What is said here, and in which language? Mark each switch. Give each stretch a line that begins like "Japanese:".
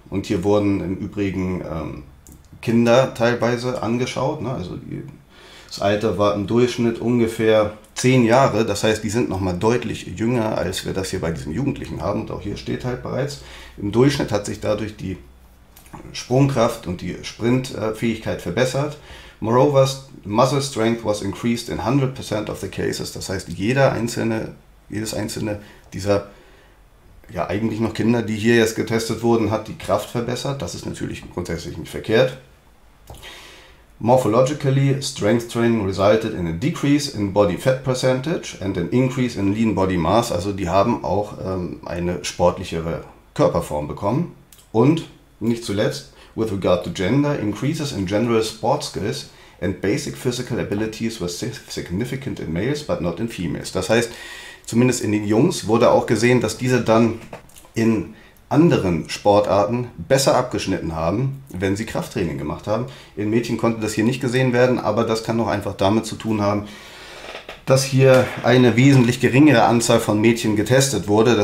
German: Und hier wurden im Übrigen Kinder teilweise angeschaut. Ne? Also das Alter war im Durchschnitt ungefähr 10 Jahre, das heißt, die sind nochmal deutlich jünger, als wir das hier bei diesen Jugendlichen haben. Und auch hier steht halt bereits, im Durchschnitt hat sich dadurch die Sprungkraft und die Sprintfähigkeit verbessert.
English: Moreover, muscle strength was increased in 100% of the cases.
German: Das heißt, jedes einzelne dieser ja eigentlich noch Kinder, die hier jetzt getestet wurden, hat die Kraft verbessert.
English: Das ist natürlich grundsätzlich nicht verkehrt. Morphologically, strength training resulted in a decrease in body fat percentage and an increase in lean body mass.
German: Also die haben auch eine sportlichere Körperform bekommen. Und
English: Nicht zuletzt, with regard to gender, increases in general sports skills and basic physical abilities were significant in males, but not in females.
German: Das heißt, zumindest in den Jungs wurde auch gesehen, dass diese dann in anderen Sportarten besser abgeschnitten haben, wenn sie Krafttraining gemacht haben. In Mädchen konnte das hier nicht gesehen werden, aber das kann doch einfach damit zu tun haben, dass hier eine wesentlich geringere Anzahl von Mädchen getestet wurde.